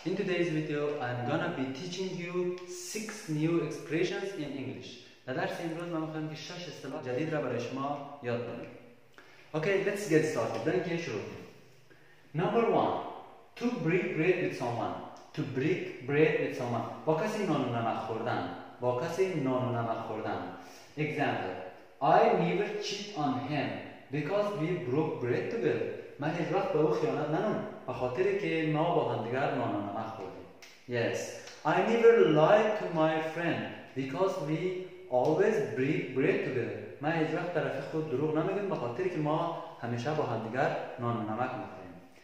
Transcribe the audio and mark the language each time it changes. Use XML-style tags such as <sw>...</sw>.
<en>In today's video, I'm gonna be teaching you 6 new expressions in English.</en> <fa>در درس امروز ما می‌خوایم که 6 اصطلاح جدید را برای شما یاد بگیریم.</fa> <en>Okay, let's get started. Then</en> <fa>که شروع کنیم.</fa> <en>Number 1. To break bread with someone. To break bread with someone.</en> <fa>با کسی نان و نمک خوردن. با کسی نان و نمک خوردن. Example.</fa> <en>I never cheat on him because we broke bread together.</en> <fa>من هیچ وقت به او خیانت ننم به خاطر که ما با همدیگر نان و نمک خوردیم.</fa> <en>Yes. I never lied to my friend because we always break bread together.</en> <fa>من هیچ وقت به طرف خود دروغ نمیگم به خاطر که ما همیشه با همدیگر نان و نمک میخوریم.</fa>